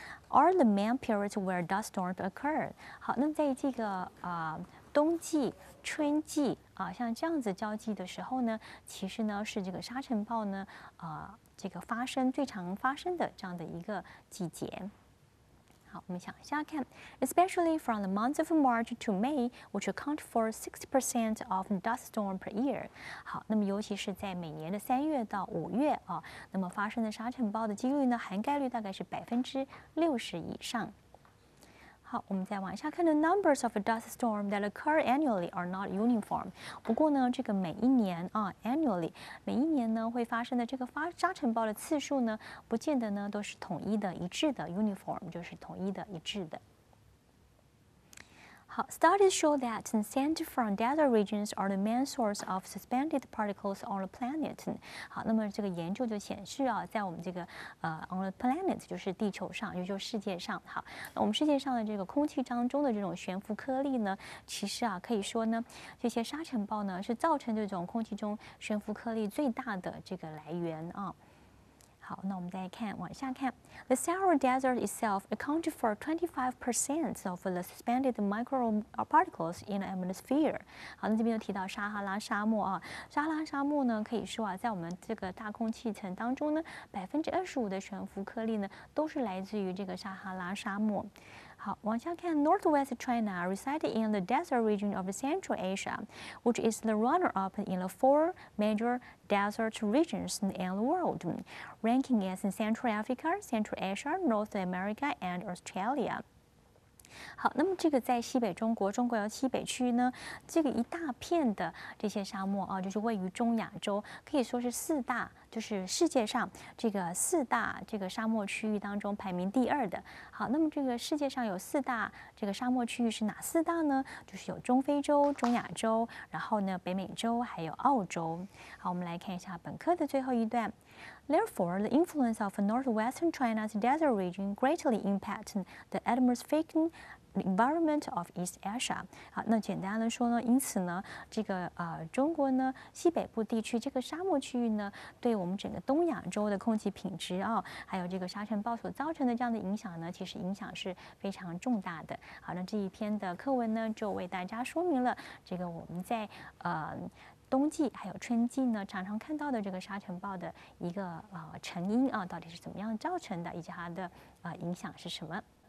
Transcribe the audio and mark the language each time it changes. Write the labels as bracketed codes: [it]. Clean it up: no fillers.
[en] Are the main periods where dust storms occur? [zh] 好，那么在这个冬季、春季啊，像这样子交际的时候呢，其实呢是这个沙尘暴呢这个发生最常发生的这样的一个季节。好，我们想一下看 [en] ，especially from the months of March to May, which account for 60% of dust storm per year. [zh] 好，那么尤其是在每年的三月到五月啊，那么发生的沙尘暴的几率呢，含概率大概是60%以上。好，我们再往下看 [en] ，the numbers of dust storm that occur annually are not uniform. [zh] 不过呢，这个每一年啊 ，annually 每一年呢会发生的这个沙尘暴的次数呢，不见得呢都是统一的、一致的 ，uniform 就是统一的、一致的。 [en] 好 ，studies show that sand from desert regions are the main source of suspended particles on the planet. [zh] 好，那么这个研究就显示啊，在我们这个 [en] on the planet [zh] 就是地球上，也就是世界上。好，那我们世界上的这个空气当中的这种悬浮颗粒呢，其实啊，可以说呢，这些沙尘暴呢是造成这种空气中悬浮颗粒最大的这个来源啊。好，那我们再看往下看 [en] ，The Sahara Desert itself accounts for 25% of the suspended microparticles in the atmosphere。 [zh] 好，那这边又提到撒哈拉沙漠啊，撒哈拉沙漠呢，可以说啊，在我们这个大空气层当中呢，25%的悬浮颗粒呢，都是来自于这个撒哈拉沙漠。好，往下看 [en] ，Northwest China resides in the desert region of Central Asia, which is the runner-up in the four major desert regions in the world, ranking as Central Africa, Central Asia, North America, and Australia. [zh] 好，那么这个在西北中国，中国有西北区呢，这个一大片的这些沙漠啊，就是位于中亚洲，可以说是四大，就是世界上这个四大这个沙漠区域当中排名第二的。好，那么这个世界上有四大这个沙漠区域是哪四大呢？就是有中非洲、中亚洲，然后呢北美洲，还有澳洲。好，我们来看一下本课的最后一段。 [en] Therefore, the influence of northwestern China's desert region greatly impacts the atmospheric environment of East Asia. [zh] 好，那简单的说呢，因此呢，这个中国呢西北部地区这个沙漠区域呢，对我们整个东亚洲的空气品质啊，还有这个沙尘暴所造成的这样的影响呢，其实影响是非常重大的。好，那这一篇的课文呢，就为大家说明了这个我们在冬季还有春季呢，常常看到的这个沙尘暴的一个成因啊，到底是怎么样造成的，以及它的影响是什么？